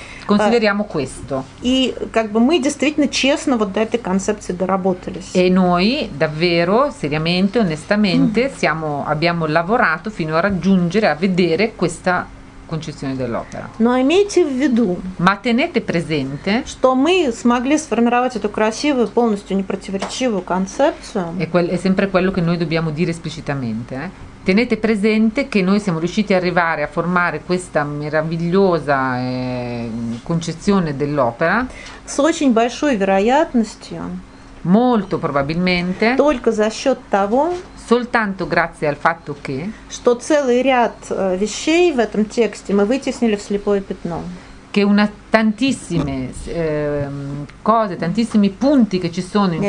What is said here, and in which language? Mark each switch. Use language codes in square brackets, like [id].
[it] Consideriamo questo. [ru] И как бы мы действительно честно вот до этой концепции доработались. [it] E noi davvero, seriamente, onestamente, abbiamo lavorato fino a raggiungere, a vedere questa concezione dell'opera. [ru] Но имейте в виду, [it] ma tenete presente, [ru] что мы смогли сформировать эту красивую, полностью непротиворечивую концепцию. [it] E quel, è sempre quello che noi dobbiamo dire esplicitamente. Tenete presente che noi siamo riusciti a arrivare a formare questa meravigliosa concezione dell'opera. [ru] С очень большой вероятностью. [it] Molto probabilmente. [ru] Только за счет того. [it] Soltanto grazie al fatto che [ru] что целый ряд вещей в этом тексте мы вытеснили в слепое пятно. [it] Che una tantissime cose, tantissimi punti che ci sono in